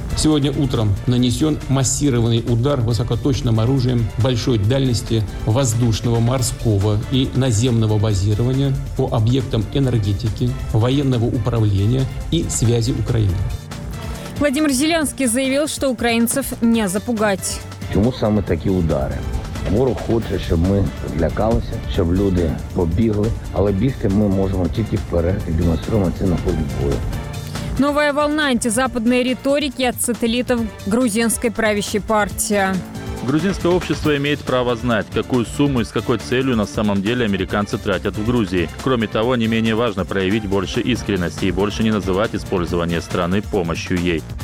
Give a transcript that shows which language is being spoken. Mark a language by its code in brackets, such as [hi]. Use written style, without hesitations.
[ru] Сегодня утром нанесен массированный удар высокоточным оружием большой дальности воздушного, морского и наземного базирования по объектам энергетики, военного управления и связи Украины. Владимир Зеленский заявил, что украинцев не запугать. [uk] Чому саме такі удари? Ворог хоче, щоб ми злякалися, щоб люди побігли, але бігти ми можемо тільки вперед і демонструємо це на полі бою. [ru] Новая волна антизападной риторики от сателлитов грузинской правящей партии. Грузинское общество имеет право знать, какую сумму и с какой целью на самом деле американцы тратят в Грузии. Кроме того, не менее важно проявить больше искренности и больше не называть использование страны помощью ей.